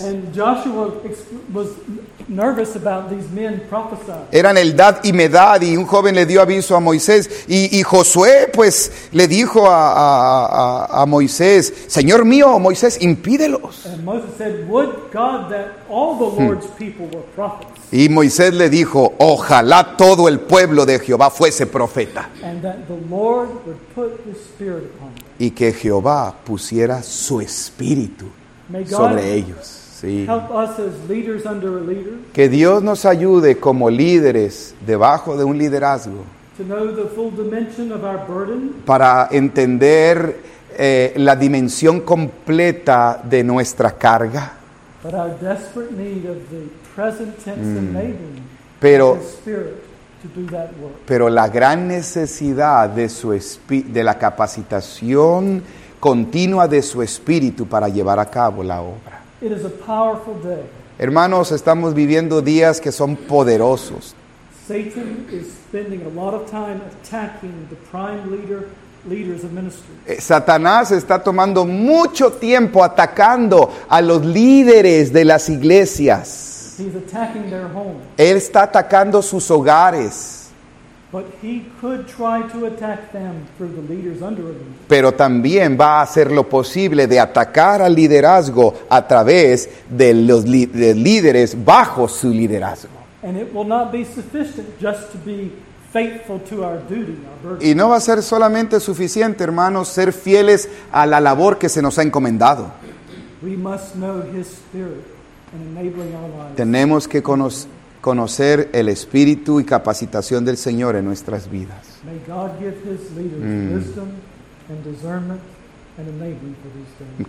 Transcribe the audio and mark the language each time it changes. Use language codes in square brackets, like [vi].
[en] And Joshua was nervous about these men prophesying. [es] Eran Eldad y Medad, y un joven le dio aviso a Moisés. Y Josué, pues, le dijo a Moisés, Señor mío, Moisés, impídelos. [en] And Moses said, would God that all the Lord's people were prophets. [es] Y Moisés le dijo, ojalá todo el pueblo de Jehová fuese profeta. [en] And that the Lord would put his spirit upon them. [es] Y que Jehová pusiera su espíritu sobre ellos. Sí. [en] Help us as leaders under a leader. [es] Que Dios nos ayude como líderes debajo de un liderazgo. [en] To know the full dimension of our burden. [es] Para entender la dimensión completa de nuestra carga. [en] But our desperate need of the present tense enabling His spirit to do that work. [es] Pero la gran necesidad de la capacitación continua de su espíritu para llevar a cabo la obra. [en] It is a powerful day. [es] Hermanos, estamos viviendo días que son poderosos. [en] Satan is spending a lot of time attacking the prime leaders of ministry. [es] Satanás está tomando mucho tiempo atacando a los líderes de las iglesias. [en] He's attacking their homes. [es] Él está atacando sus hogares. [en] But he could try to attack them through the leaders under him. [es] Pero también va a hacer lo posible de atacar al liderazgo a través de los de líderes bajo su liderazgo. [en] And it will not be sufficient just to be faithful to our duty, our burden. [es] Y no va a ser solamente suficiente, hermanos, ser fieles a la labor que se nos ha encomendado. [en] We must know his spirit and enabling our lives. [es] Tenemos que conocer el espíritu y capacitación del Señor en nuestras vidas. [en] May God give his leaders wisdom and discernment and enabling for these things.